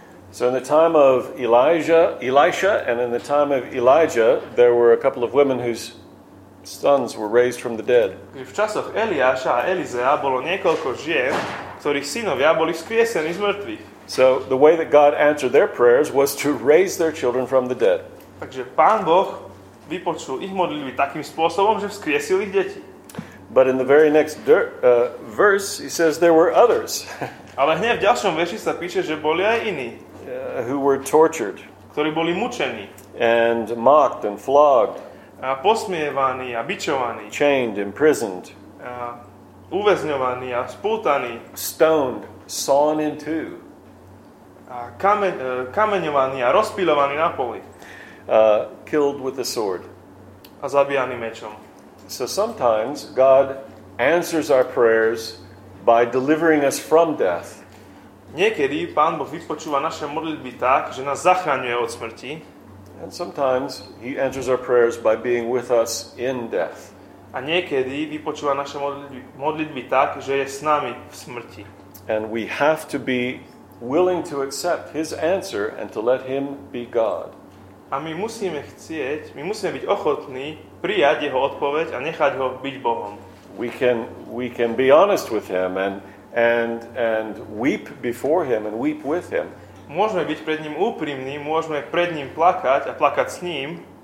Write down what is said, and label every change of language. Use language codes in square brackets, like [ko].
[en] So in the time of Elisha and in the time of Elijah, there were a couple of women whose sons were raised from the dead. [sk] V časoch Eliáša a Elizea bolo niekoľko žien, ktorých synovia boli vzkriesení z mŕtvych. [en] So the way that God answered their prayers was to raise their children from the dead. [sk] Takže Pán Boh vypočul ich modlitby takým spôsobom, že vzkriesil ich deti. [en] But in the very next verse he says there were others. [sk] Ale hneď v ďalšom verši sa píše, že boli aj iní. [en] Who were tortured, [sk] ktorí boli mučení, [en] and mocked and flogged, [sk] a posmievaní a bičovaní, [en] chained, imprisoned, [sk] a uväzňovaní a spútaní, [en] stoned, sawn in two, [sk] a kameňovaní a rozpilovaní na poli, [en] killed with a sword, [sk] a zabíjaní mečom. [en] So sometimes God answers our prayers by delivering us from death. [sk] Niekedy Pán Boh vypočúva naše modlitby tak, že nás zachraňuje od smrti. [en] And sometimes he answers our prayers by being with us in death. [sk] A niekedy vypočúva naše modlitby tak, že je s nami v smrti. [en] And we have to be willing to accept his answer and to let him be God. [sk] A my musíme byť ochotní prijať jeho odpoveď a nechať ho byť Bohom. [en] We can be honest with him and weep before him and weep with him. [sk] Môžeme byť pred ním úprimní, môžeme pred ním plakať a plakať s ním,